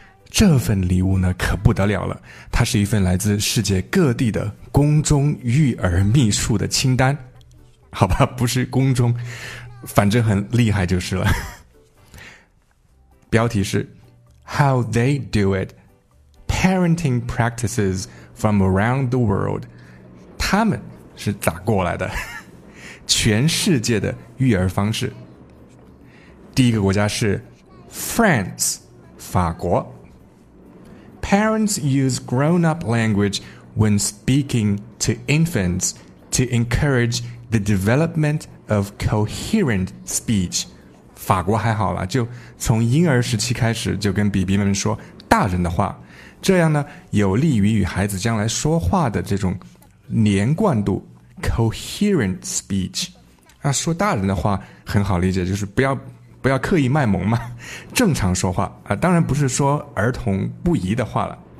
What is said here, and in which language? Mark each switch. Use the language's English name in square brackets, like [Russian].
[Chinese] 这份礼物呢可不得了了，它是一份来自世界各地的宫中育儿秘术的清单，好吧，不是宫中，反正很厉害就是了。标题是 [English] How they do it, parenting practices from around the world, [Chinese] 他们是咋过来的，全世界的育儿方式。第一个国家是 France, 法国。 [English] Parents use grown-up language when speaking to infants to encourage the development of coherent speech. [Chinese] 法国还好了，就从婴儿时期开始就跟 BB 们说大人的话，这样呢有利于与孩子将来说话的这种连贯度 coherent speech. 那说大人的话很好理解，就是不要刻意卖萌嘛，正常说话啊，当然不是说儿童不宜的话了。